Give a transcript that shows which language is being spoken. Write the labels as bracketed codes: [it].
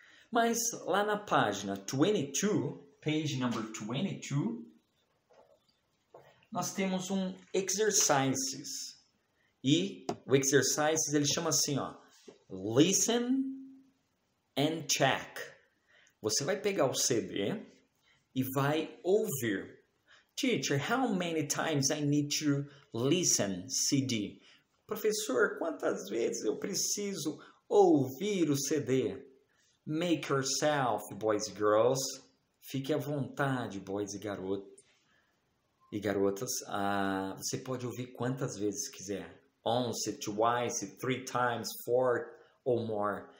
[pt] Mas lá na página 22, page number 22, nós temos um exercises. E o exercises ele chama assim, ó, listen and check. Você vai pegar o CD e vai ouvir. [en] Teacher, how many times I need to listen CD? [pt] Professor, quantas vezes eu preciso ouvir o CD? [en] Make yourself, boys and girls. [pt] Fique à vontade, boys e garoto e garotas. Ah, você pode ouvir quantas vezes quiser. [en] Once, twice, three times, four or more.